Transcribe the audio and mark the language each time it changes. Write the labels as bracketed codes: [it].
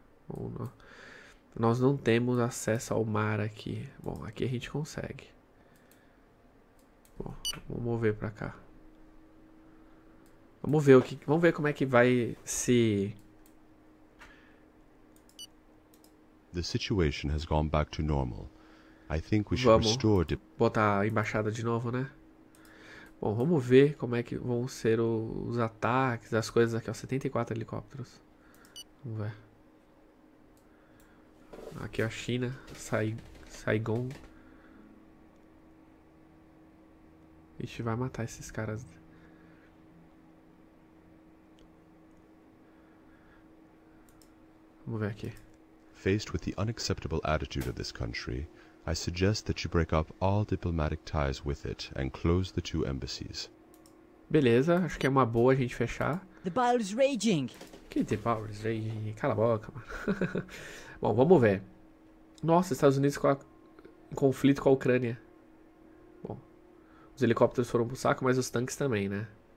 [pt] Bom, nós não temos acesso ao mar aqui. Bom, aqui a gente consegue. Bom, vamos mover pra cá. Vamos ver como é que vai se. [en] The situation has gone back to normal. I think we should [pt] Vamos [en] restore the. [pt] botar a embaixada de novo, né? Bom, vamos ver como é que vão ser os ataques, as coisas aqui, ó. 74 helicópteros. Vamos ver. Aqui, ó, China, Saigon. Ixi, vai matar esses caras. Vamos ver aqui. [en] Faced with the unacceptable attitude of this country, I suggest that you break up all diplomatic ties with it and close the two embassies. [pt] Beleza, acho que é uma boa a gente fechar. [en] The battle is raging. [pt] Que [en] The Power is Raging? [pt] Cala a boca, mano. Bom, vamos ver. Nossa, Estados Unidos em conflito com a Ucrânia. Os helicópteros foram pro saco, mas os tanques também, né?